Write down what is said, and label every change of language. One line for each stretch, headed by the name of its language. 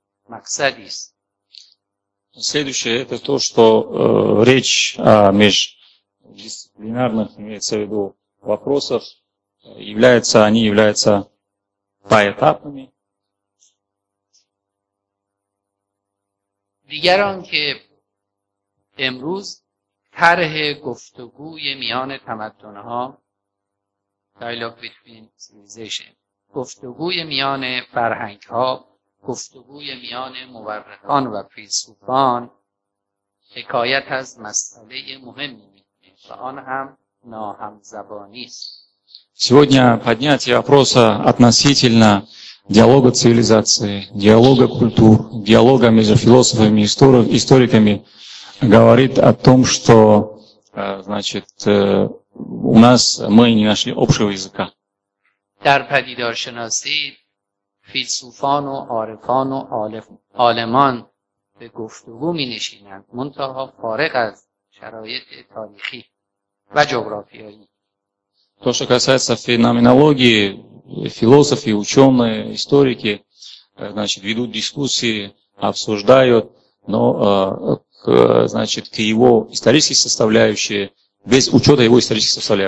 Russian: Следующее, это то, что речь о междисциплинарных, имеется в виду, вопросах, являются, они являются поэтапными.
Persian: دیگران که امروز طرح گفتگوی میان تمدن‌ها
English: dialogue between civilization
Persian: گفتگوی میان فرهنگ‌ها گفتگوی میان مورخان و فیلسوفان حکایت از مسئله مهمی می‌کند و آن هم ناهمزبانی است.
Russian: Сегодня поднятие вопроса относительно диалога цивилизации, диалога культур, диалога между философами и историками говорит о том, что, значит, у нас мы не нашли общего языка.
Persian: در پدیدارشناسی فیلسوفان و عارفان و عالمان به گفتگو می‌نشینند، منتها فارغ از شرایط تاریخی و جغرافیایی.
Russian: То, что касается феноменологии, философы, ученые, историки, значит, ведут дискуссии, обсуждают, но, значит, к его исторической составляющей, без учета его исторической